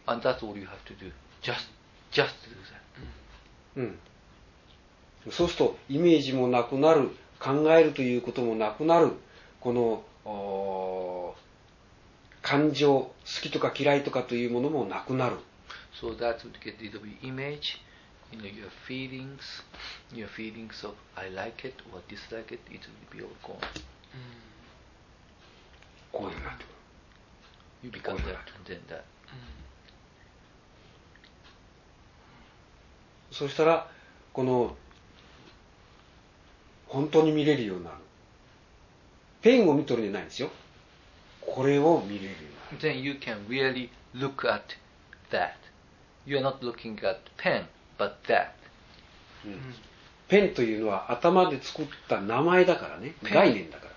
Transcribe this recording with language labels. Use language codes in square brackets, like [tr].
[en] And that's all you have to do. Just do that. うん。 [ja] そうするとイメージもなくなる、考えるということもなくなる、この感情、好きとか嫌いとかというものもなくなる。 [en] So that would get rid of your image, you know, your feelings of I like it or dislike it, it would be all gone.、Mm. [ja] こういうなと。 [en] You become that, then that. [ja] そしたら、この、本当に見れるようになる。ペンを見とるんじゃないんですよ。これを見れるようになる。 [en] Then you can really look at that. You are not looking at pen, but that. [ja] ペンというのは頭で作った名前だからね、概念だから。